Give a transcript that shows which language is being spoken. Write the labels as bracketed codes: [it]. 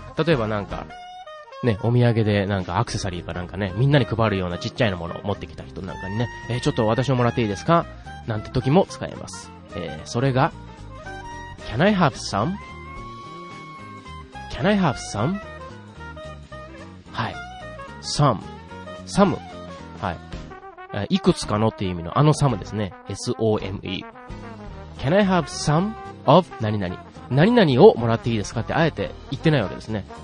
[ja] 例えばなんかね、お土産でなんかアクセサリーかなんかね、みんなに配るようなちっちゃいのものを持ってきた人なんかにね、ちょっと私をもらっていいですかなんて時も使えます。それが [en] Can I have some? Can I have some? [ja] はい、 Some Some はい、いくつかのっていう意味のあの some ですね、 S-O-M-E。 [en] Can I have some of [ja] 何々、何々をもらっていいですかってあえて言ってないわけですね。